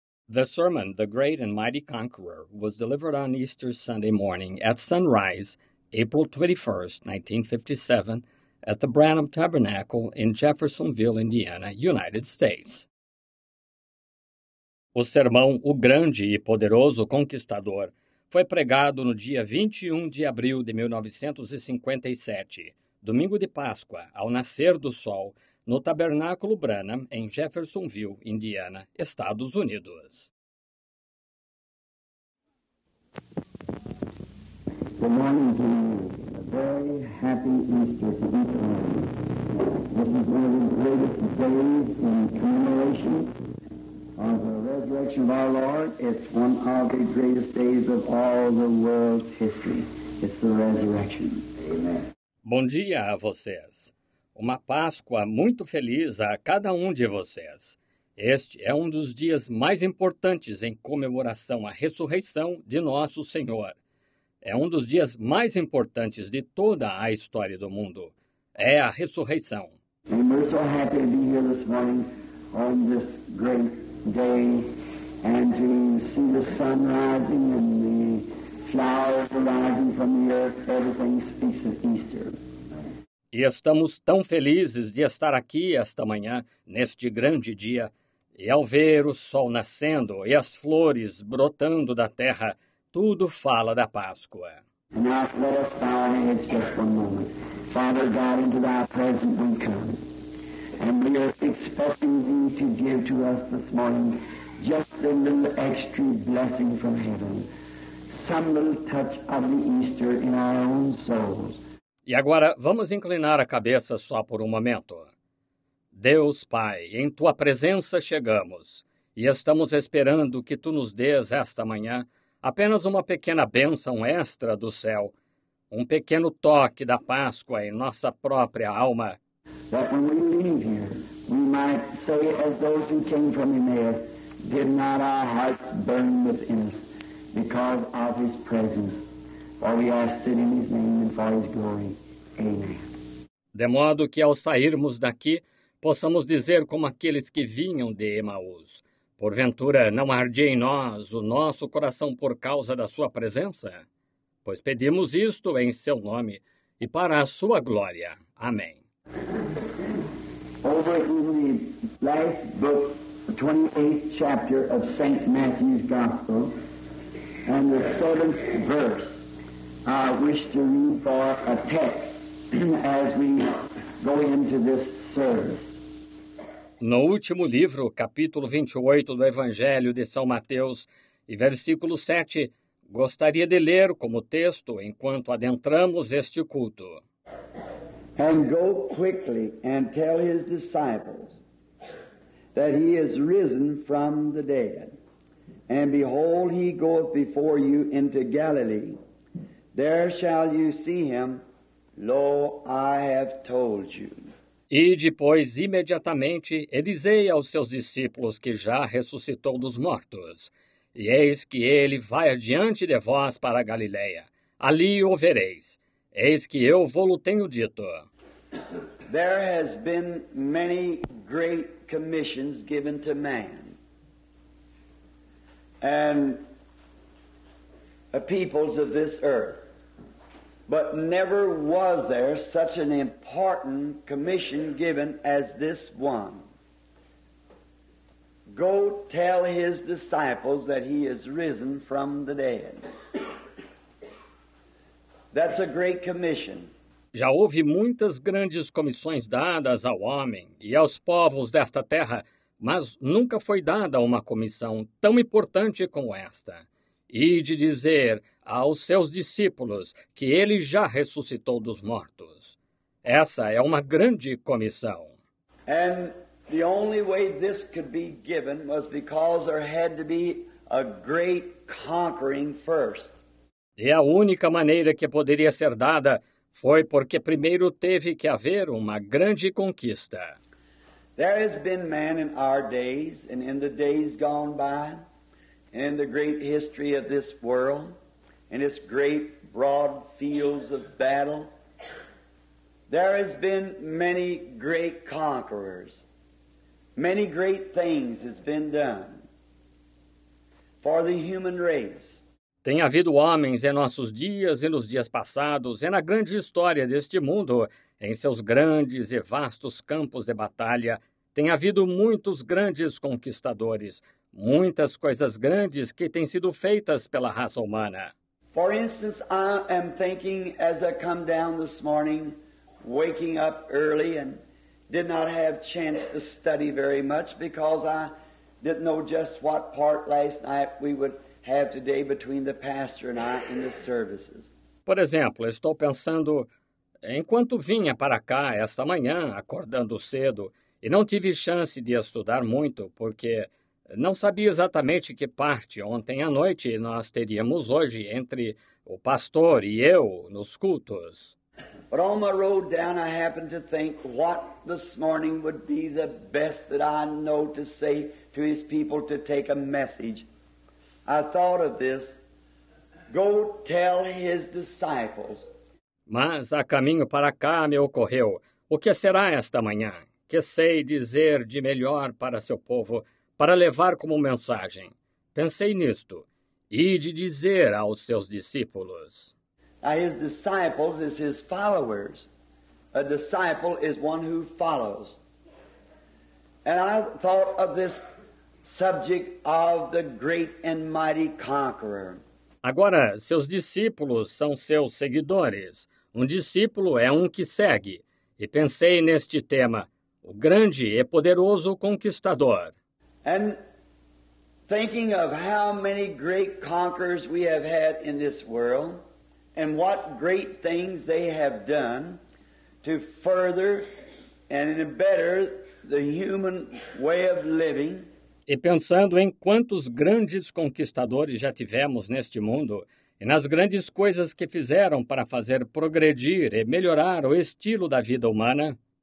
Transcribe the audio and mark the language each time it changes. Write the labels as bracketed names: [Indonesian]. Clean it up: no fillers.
[English] The sermon, The Great and Mighty Conqueror, was delivered on Easter Sunday morning at sunrise, April 21, 1957, at the Branham Tabernacle in Jeffersonville, Indiana, United States. [Portuguese] O sermão O Grande e Poderoso Conquistador foi pregado no dia 21 de abril de 1957, domingo de Páscoa, ao nascer do sol, no Tabernáculo Branham, em Jeffersonville, Indiana, Estados Unidos. [English] Good morning to you. A very happy Easter to each of you. This is one of the greatest days in commemoration of the resurrection of our Lord. It's one of the greatest days of all the world's history. It's the resurrection. Amen. [Portuguese] Bom dia a vocês. Uma Páscoa muito feliz a cada um de vocês. Este é um dos dias mais importantes em comemoração à ressurreição de nosso Senhor. É um dos dias mais importantes de toda a história do mundo. É a ressurreição. [English] And we're so happy to be here this morning on this great day and to see the sun rising and the flowers rising from the earth. Everything speaks of Easter. [Portuguese] E estamos tão felizes de estar aqui esta manhã, neste grande dia, e ao ver o sol nascendo e as flores brotando da terra, tudo fala da Páscoa. [English] And now let us bow our heads just one moment. Father God, into thy presence we come. And we are expecting thee to give to us this morning just a little extra blessing from heaven. Some little touch of the Easter in our own souls. [Portuguese] E agora, vamos inclinar a cabeça só por um momento. Deus Pai, em Tua presença chegamos, e estamos esperando que Tu nos dês esta manhã apenas uma pequena bênção extra do céu, um pequeno toque da Páscoa em nossa própria alma. [English] That when we leave here, we might say as those who came from Emmaus, did not our hearts burn within us because of His presence. For we ask it in His name and for His glory. Amen. [Portuguese] De modo que ao sairmos daqui, possamos dizer como aqueles que vinham de Emaús. Porventura, não ardia em nós o nosso coração por causa da Sua presença? Pois pedimos isto em Seu nome e para a Sua glória. Amém. [English] Over in the last book, the 28th chapter of St. Matthew's Gospel, and the 7th verse, I wish to read for a text as we go into this service. [Portuguese] No último livro, capítulo 28 do Evangelho de São Mateus, e versículo 7, gostaria de ler como texto enquanto adentramos este culto. [English] And go quickly and tell his disciples that he is risen from the dead, and behold, he goeth before you into Galilee. There shall you see him, lo, I have told you. [Portuguese] E depois, imediatamente, e dizei aos seus discípulos que já ressuscitou dos mortos, e eis que ele vai adiante de vós para a Galiléia, ali o vereis, eis que eu vou-lo tenho dito. [English] There has been many great commissions given to man, and the peoples of this earth. But never was there such an important commission given as this one. Go tell his disciples that he is risen from the dead. That's a great commission. [Portuguese] Já houve muitas grandes comissões dadas ao homem e aos povos desta terra, mas nunca foi dada uma comissão tão importante como esta. E de dizer aos seus discípulos que ele já ressuscitou dos mortos. Essa é uma grande comissão. [English] And the only way this could be given was because there had to be a great conquering first. [Portuguese] E a única maneira que poderia ser dada foi porque primeiro teve que haver uma grande conquista. [English] There has been man in our days and in the days gone by. In the great history of this world, in its great broad fields of battle, there has been many great conquerors. Many great things has been done. for the human race. [Portuguese] Tem havido homens em nossos dias e nos dias passados, e na grande história deste mundo, em seus grandes e vastos campos de batalha, tem havido muitos grandes conquistadores, muitas coisas grandes que têm sido feitas pela raça humana. [English] For instance, I am thinking as I come down this morning, waking up early and did not have chance to study very much because I didn't know just what part last night we would have today between the pastor and I in the services. [Portuguese] Por exemplo, estou pensando, enquanto vinha para cá esta manhã, acordando cedo, e não tive chance de estudar muito porque não sabia exatamente que parte ontem à noite nós teríamos hoje entre o pastor e eu nos cultos. [English] But on my road down, I happened to think what this morning would be the best that I know to say to his people to take a message. I thought of this. Go tell his disciples. [Portuguese] Mas a caminho para cá me ocorreu. O que será esta manhã? Que sei dizer de melhor para seu povo para levar como mensagem? Pensei nisto. Ide dizer aos seus discípulos. [English] Now his disciples is his followers. A disciple is one who follows. And I thought of this subject of the great and mighty conqueror. [Portuguese] Agora, seus discípulos são seus seguidores. Um discípulo é um que segue. E pensei neste tema, o grande e poderoso conquistador. [English] And thinking of how many great conquerors we have had in this world, and what great things they have done to further and better the human way of living. [Portuguese] E pensando em quantos grandes conquistadores já tivemos neste mundo e nas grandes coisas que fizeram para fazer progredir e melhorar o estilo da vida humana.